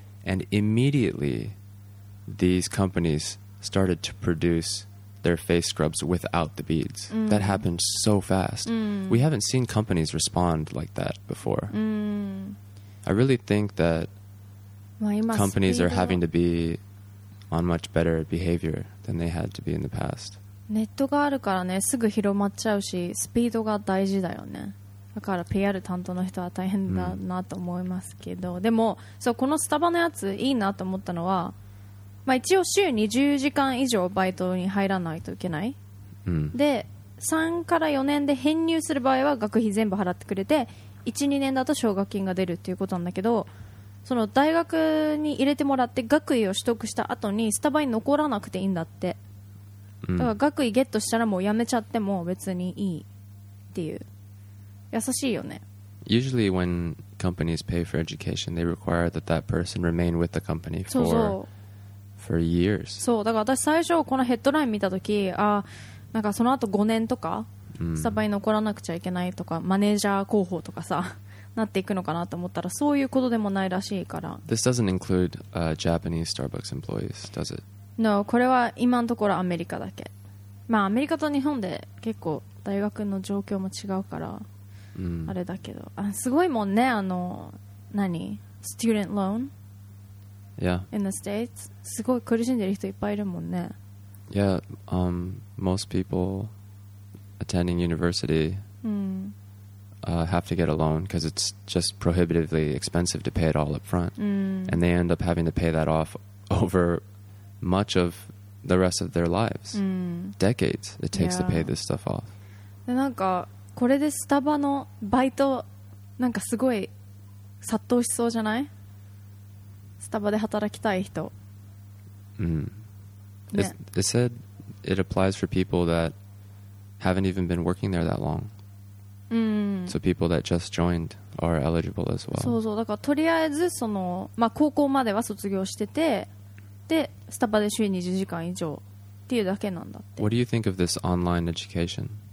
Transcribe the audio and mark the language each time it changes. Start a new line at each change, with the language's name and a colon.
English: And immediately, these companies started to produce their face scrubs without the beads. Mm. That happened so fast. Mm. We haven't seen companies respond like that before. Mm. I really think that companies are having to be on much better behavior than they had to be in the past.
Japanese: ネットがあるからね、すぐ広まっちゃうし、スピードが大事だよね。だから PR 担当の人は大変だなと思いますけど、うん、でもそう、このスタバのやついいなと思ったのは、まあ、一応週20時間以上バイトに入らないといけない、うん、で3から4年で編入する場合は学費全部払ってくれて、1、2年だと奨学金が出るっていうことなんだけど、その大学に入れてもらって学位を取得した後にスタバに残らなくていいんだって。だから学位ゲットしたらもう辞めちゃっても別にいいっていう、優しいよね。
English: Usually when companies pay for education, they require that that person remain with the company for,
Japanese: そうそう
English: for years.
Japanese: そう、だから私最初このヘッドライン見た時、あ、なんかその後5年とかスタバに残らなくちゃいけないとか、マネージャー候補とかさなっていくのかなと思ったら、そういうことでもないらしいから。
English: This doesn't include Japanese Starbucks employees, does it?
Japanese: No, これは今のところアメリカだけ。まあアメリカと日本で結構大学の状況も違うから、うん、あれだけど、あ、すごいもんね、あの何 student loan、 yeah.
English: in the States、
Japanese: すごい苦しんでる人いっぱいいるもんね。
English: Yeah, most people attending university、うん、 have to get a loan because it's just prohibitively expensive to pay it all up front、うん、 and they end up having to pay that off overmuch of the rest of their lives、うん、 decades it takes、yeah. to pay this stuff off.
Japanese: でなんかこれでスタバのバイトなんかすごい殺到しそうじゃない？スタバで働きたい人。うん。
English: ね、it said it applies for people that haven't even been working there that long. うん。 So people that just joined are eligible as well.
Japanese: そうそう、だからとりあえずそのまあ高校までは卒業してて。でスタバで週20時間以上っていうだけなんだって。
English: What do you think of this online education?